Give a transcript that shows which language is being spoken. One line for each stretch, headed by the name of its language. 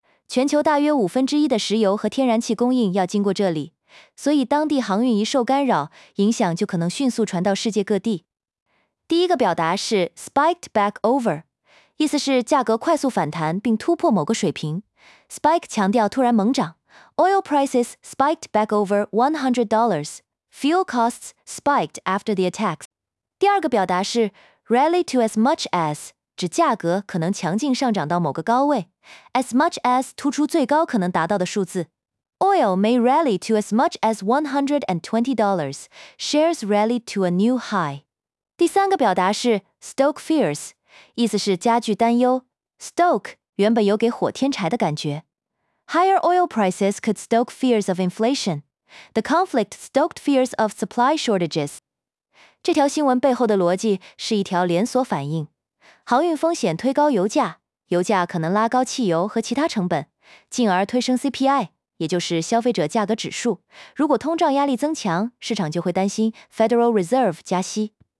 Chinese: 全球大约1/5的石油和天然气供应要经过这里，所以当地航运一受干扰，影响就可能迅速传到世界各地。第一个表达是
English: spiked back over，
Chinese: 意思是价格快速反弹并突破某个水平。spike 强调突然猛涨，
English: Oil prices spiked back over $100. Fuel costs spiked after the attacks.
Chinese: 第二个表达是
English: rally to as much as,
Chinese: 指价格可能强劲上涨到某个高位。
English: As much as
Chinese: 突出最高可能达到的数字。
English: Oil may rally to as much as $120. Shares rallied to a new high.
Chinese: 第三个表达是
English: stoke fears,
Chinese: 意思是加剧担忧。 Stoke 原本有给火添柴的感觉。
English: Higher oil prices could stoke fears of inflation. The conflict stoked fears of supply shortages.
Chinese: 这条新闻背后的逻辑是一条连锁反应。航运风险推高油价，油价可能拉高汽油和其他成本，进而推升 CPI。也就是消费者价格指数，如果通胀压力增强，市场就会担心 Federal Reserve 加息。